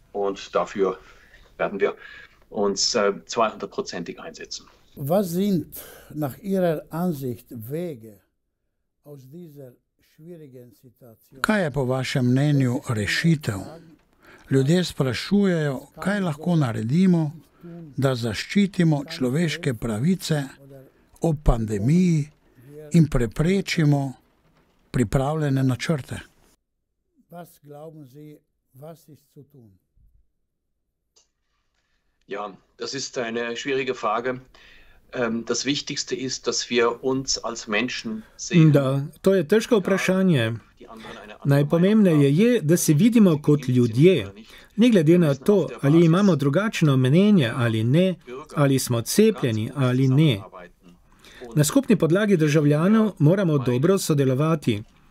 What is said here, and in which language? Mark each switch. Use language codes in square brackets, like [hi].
[de] In dafür werden wir uns 200% einsetzen. Was sind nach Ihrer Ansicht Wege aus dieser schwierigen Situation? [sl] Kaj je po vašem mnenju rešitev? Ljudje sprašujejo, kaj lahko naredimo, da zaščitimo človeške pravice ob pandemiji in preprečimo pripravljene načrte. [de] Was glauben Sie, was ist zu tun? Ja, das ist eine schwierige Frage. Das Wichtigste ist, dass wir uns als Menschen sehen. [sl] Da, to je težko vprašanje. Najpomembneje je, da se vidimo kot ljudje. Ne glede na to, ali imamo drugačno mnenje ali ne, ali smo cepljeni ali ne. Na skupni podlagi državljanov moramo dobro sodelovati.